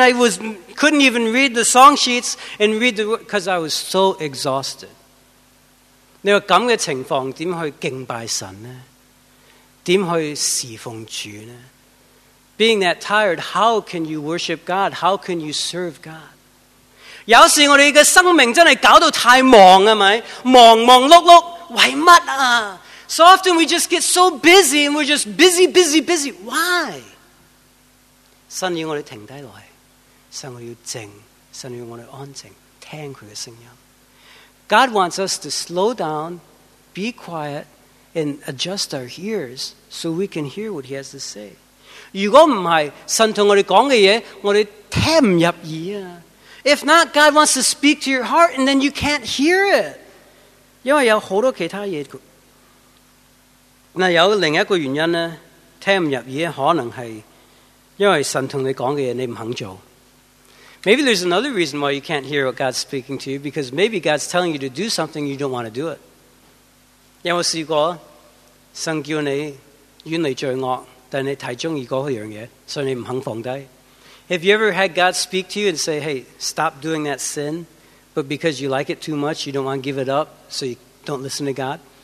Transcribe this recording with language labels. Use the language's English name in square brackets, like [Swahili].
[English] I couldn't even read the song sheets and read the because I was so exhausted. [Cantonese] 你话咁嘅情况点去敬拜神呢？点去侍奉主呢 [English] ？Being that tired, how can you worship God? How can you serve God? [Cantonese] 有时我哋嘅生命真系搞到太忙啊，咪忙忙碌碌，为乜啊 [English] ？So often we just get so busy and we're just busy, busy, busy. Why？ [Cantonese] 神要我哋停低来，神要静，神要我哋安静，听佢嘅声音。 [English] God wants us to slow down, be quiet, and adjust our ears so we can hear what He has to say. [Cantonese] 如果唔系神同我哋讲嘅嘢，我哋听唔入耳啊。 [English] If not, God wants to speak to your heart, and then you can't hear it. [Cantonese] 因为有好多其他嘢，嗱有另一个原因咧，听唔入耳，可能系因为神同你讲嘅嘢你唔肯做。 [English] Maybe there's another reason why you can't hear what God's speaking to you because maybe God's telling you to do something you don't want to do it. [Cantonese] 有冇试过神叫你远离罪恶，但你太中意嗰样嘢，所以你唔肯放低？ [English] Have you ever had God speak to you and say, hey, stop doing that sin, but because you like it too much, you don't want to give it up, so you don't listen to God?